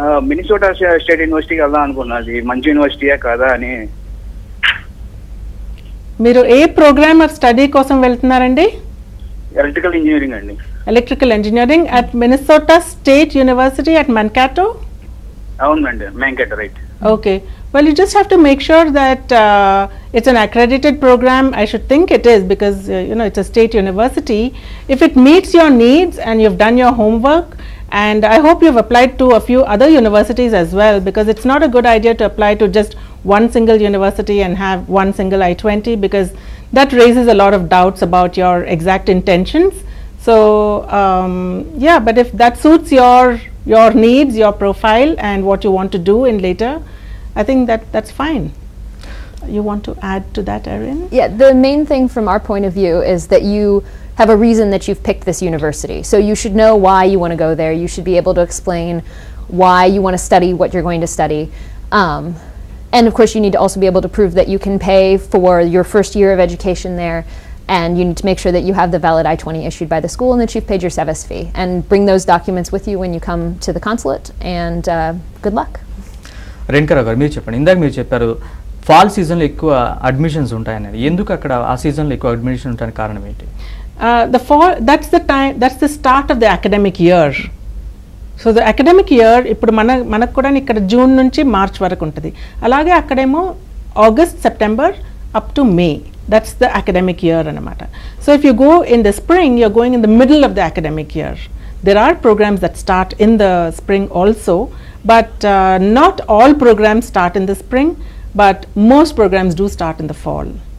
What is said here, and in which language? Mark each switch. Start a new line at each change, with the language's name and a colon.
Telugu: Minnesota state యూనివర్సిటీకి వెళ్దాం అనుకున్నది. మంచి యూనివర్సిటీయా కాదా అని. మీరు ఏ ప్రోగ్రామ్ ఆఫ్ స్టడీ కోసం వెళ్తున్నారండి? ఎలక్ట్రికల్ ఇంజనీరింగ్ అండి.
English: Electrical engineering at Minnesota State University at Mankato.
Telugu: అవునండి, మన్కాటో, right. Okay.
English: Well, you just have to make sure that it's an accredited program. I should think it is, because you know, it's a state university. If it meets your needs and you've done your homework, and I hope you've applied to a few other universities as well, because it's not a good idea to apply to just one single university and have one single I-20, because that raises a lot of doubts about your exact intentions. So yeah, but if that suits your needs, your profile and what you want to do in later, I think that's fine. You want to add to that, Erin? Yeah, the main thing from our point of view is that you have a reason that you've picked this university. So you should know why you want to go there. You should be able to explain why you want to study what you're going to study. And of course, you need to also be able to prove that you can pay for your first year of education there. And you need to make sure that you have the valid I-20 issued by the school and that you've paid your Sevis fee. And bring those documents with you when you come to the consulate. And good luck.
Telugu: రెంకరావు గారు, మీరు చెప్పండి. ఇందాక మీరు చెప్పారు fall సీజన్లో ఎక్కువ admissions ఉంటాయని, ఎందుకు అక్కడ ఆ సీజన్లో ఎక్కువ అడ్మిషన్ ఉంటాయని కారణం ఏంటి?
English: The fall, that's the time, that's the start of the academic year.
Telugu: So the academic year ఇప్పుడు మనకు కూడా ఇక్కడ జూన్ నుంచి మార్చ్ వరకు ఉంటుంది, అలాగే అక్కడేమో August September up to May,
English: that's the academic year
Telugu: అనమాట.
English: So if you go in the spring, you're going in the middle of the academic year. There are programs that start in the spring also. But not all programs start in the spring, but most programs do start in the fall.